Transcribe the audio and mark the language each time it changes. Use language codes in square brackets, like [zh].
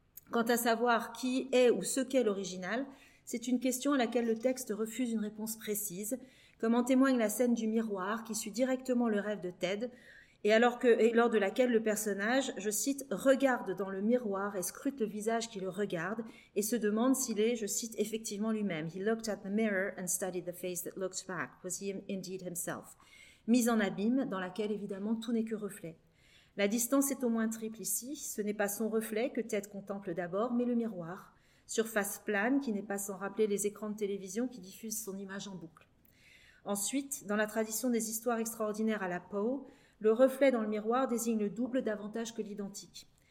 [fr] Quant à savoir qui est ou ce qu'est l'original, c'est une question à laquelle le texte refuse une réponse précise, comme en témoigne la scène du miroir qui suit directement le rêve de Ted, et lors de laquelle le personnage, je cite, « regarde dans le miroir et scrute le visage qui le regarde et se demande s'il est, je cite, effectivement lui-même. [en] He looked at the mirror and studied the face that looked back. Was he indeed himself ?» [fr] Mise en abîme, dans laquelle évidemment tout n'est que reflet. La distance est au moins triple ici. Ce n'est pas son reflet que Ted contemple d'abord, mais le miroir. Surface plane qui n'est pas sans rappeler les écrans de télévision qui diffusent son image en boucle. Ensuite, dans la tradition des histoires extraordinaires à la Poe, le reflet dans le miroir désigne le double davantage que l'identique.